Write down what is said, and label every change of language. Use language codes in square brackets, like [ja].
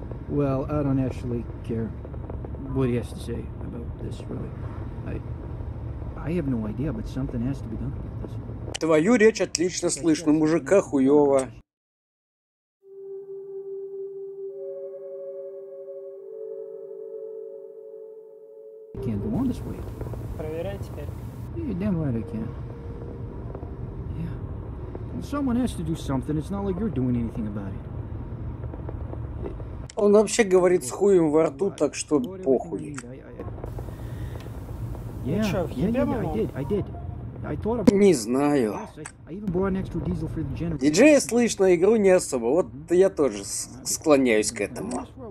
[en] Well, I don't actually care what he has to say about this, really. I have no idea, but something has to be done. [ru] Твою речь отлично слышно, мужика хуёво. [en] Can't go on this way. [ru] Проверяй теперь. [en] Yeah, damn right I can. Yeah. Well, someone has to do something. It's not like you're doing anything about it. [ru] Он вообще говорит с хуем во рту, так что похуй. [en] Yeah, I did. [ru] Не знаю. Диджея слышно, игру не особо. Вот я тоже склоняюсь к этому.